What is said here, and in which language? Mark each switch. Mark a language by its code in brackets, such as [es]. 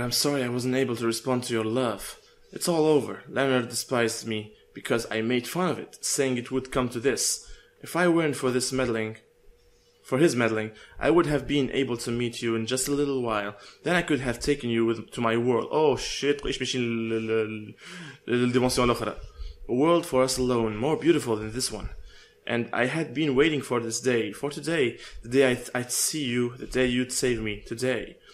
[en] I'm sorry I wasn't able to respond to your love. It's all over. Leonard despised me because I made fun of it, saying it would come to this. If I weren't for this meddling... For his meddling, I would have been able to meet you in just a little while. Then I could have taken you with to my world. Oh shit, [ar] ايش ماشيين للديمونسيون الاخرى. [en] A world for us alone, more beautiful than this one. And I had been waiting for this day, for today, the day I'd see you, the day you'd save me, today.